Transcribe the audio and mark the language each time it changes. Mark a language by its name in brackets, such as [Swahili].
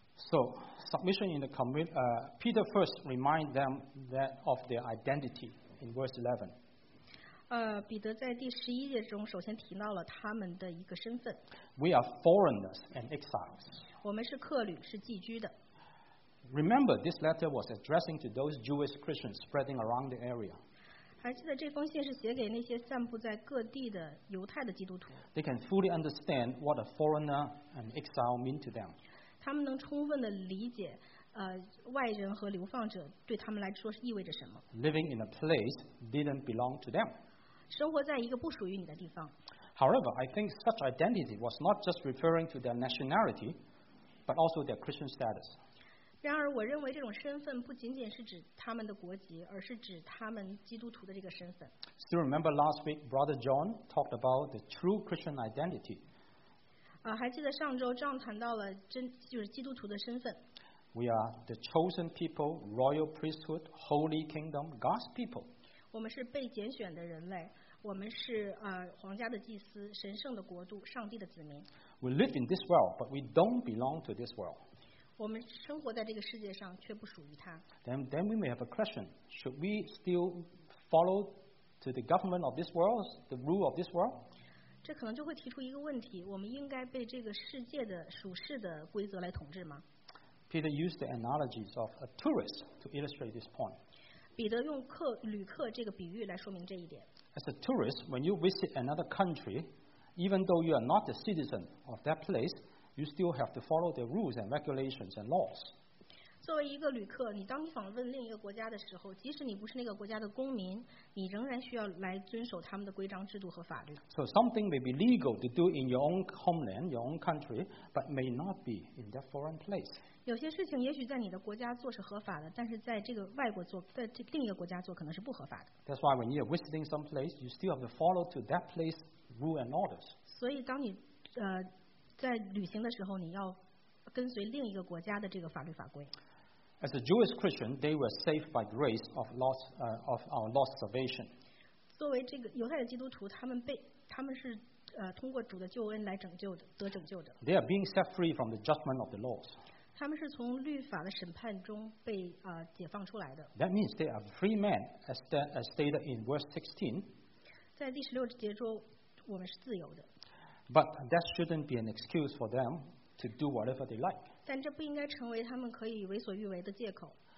[English] So, submission in the community. Peter first reminds them that of their identity in verse 11. [Chinese] 彼得在第十一节中首先提到了他们的一个身份。 [English] We are foreigners and exiles. [Chinese] 我们是客旅，是寄居的。 [English] Remember, this letter was addressing to those Jewish Christians spreading around the area. [Chinese] 还记得这封信是写给那些散布在各地的犹太的基督徒。 [English] They can fully understand what a foreigner and exile mean to them. [Chinese] 他们能充分的理解外人和流放者对他们来说是意味着什么。 [English] Living in a place didn't belong to them. [Chinese] 生活在一个不属于你的地方。 [English] However, I think such identity was not just referring to their nationality, but also their Christian status. [Chinese] 然而，我认为这种身份不仅仅是指他们的国籍，而是指他们基督徒的这个身份。 [English] Still remember last week, Brother John talked about the true Christian identity. [Chinese] 还记得上周John谈到了真就是基督徒的身份。 [English] We are the chosen people, royal priesthood, holy kingdom, God's people. [Chinese] 我们是被拣选的人类，我们是皇家的祭司，神圣的国度，上帝的子民。 [English] We live in this world, but we don't belong to this world. [Chinese] 我们生活在这个世界上，却不属于它。 [English] Then we may have a question: Should we still follow to the government of this world, the rule of this world? [Chinese] 这可能就会提出一个问题：我们应该被这个世界的属世的规则来统治吗 [English] ？Peter used the analogies of a tourist to illustrate this point. [Chinese] 彼得用旅客这个比喻来说明这一点。 [English] As a tourist, when you visit another country, even though you are not a citizen of that place, you still have to follow their rules and regulations and laws. [Chinese] 作为一个旅客，你当你访问另一个国家的时候，即使你不是那个国家的公民，你仍然需要来遵守他们的规章制度和法律。 [English] So something may be legal to do in your own homeland, your own country, but may not be in that foreign place. [Chinese] 有些事情也许在你的国家做是合法的，但是在这个外国做，在这另一个国家做可能是不合法的。 [English] That's why when you're visiting some place, you still have to follow to that place rule and orders. [Chinese] 所以当你在旅行的时候，你要跟随另一个国家的这个法律法规。 [English] As a Jewish Christian, they were saved by grace of lost of our lost salvation. [Chinese] 作为这个犹太的基督徒，他们是通过主的救恩来拯救的，得拯救的。 [English] They are being set free from the judgment of the laws. [Chinese] 他们是从律法的审判中被解放出来的。 [English] That means they are free men, as stated in verse 16. [Chinese] 在第十六节中，我们是自由的。 [English] But that shouldn't be an excuse for them to do whatever they like. [Chinese] 但这不应该成为他们可以为所欲为的借口。